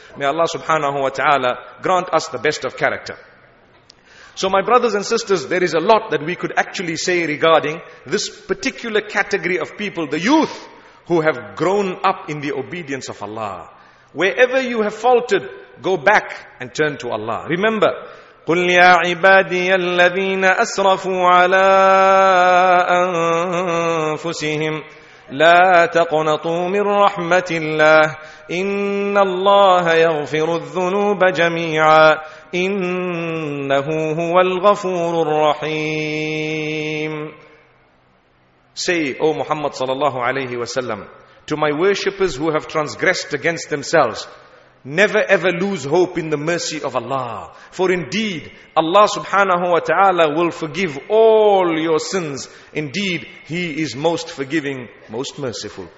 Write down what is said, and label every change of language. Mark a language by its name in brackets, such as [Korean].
[English] May Allah subhanahu wa ta'ala grant us the best of character. So my brothers and sisters, there is a lot that we could actually say regarding this particular category of people, the youth who have grown up in the obedience of Allah. Wherever you have faltered, go back and turn to Allah. Remember, [Arabic] قُلْ يَا عِبَادِيَ الَّذِينَ أَسْرَفُوا عَلَىٰ أَنفُسِهِمْ لا تقنطوا من رحمة الله إن الله يغفر الذنوب جميعا إنه هو الغفور الرحيم. [English] Say, O Muhammad sallallahu alayhi wa sallam, to my worshippers who have transgressed against themselves, never ever lose hope in the mercy of Allah. For indeed, Allah subhanahu wa ta'ala will forgive all your sins. Indeed, He is most forgiving, most merciful.